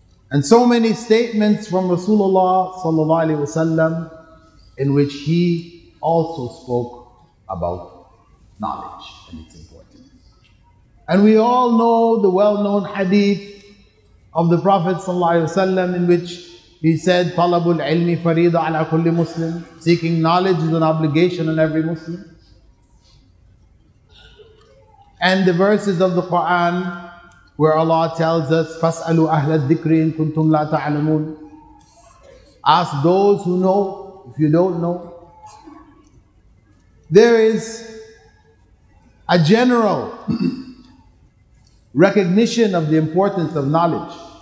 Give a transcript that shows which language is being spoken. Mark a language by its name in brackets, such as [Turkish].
[English] And so many statements from Rasulullah sallallahu alaihi wasallam in which he also spoke about knowledge and its importance. And we all know the well-known hadith of the Prophet sallallahu alaihi wasallam in which He said, [Arabic] طلب العلم فريضة على كل مسلم. [English] Seeking knowledge is an obligation on every Muslim. And the verses of the Quran where Allah tells us, [Arabic] فَاسْأَلُوا أَهْلَ الذِّكْرِ إِن كُنْتُمْ لَا تَعْلَمُونَ. [English] Ask those who know, if you don't know. There is a general recognition of the importance of knowledge.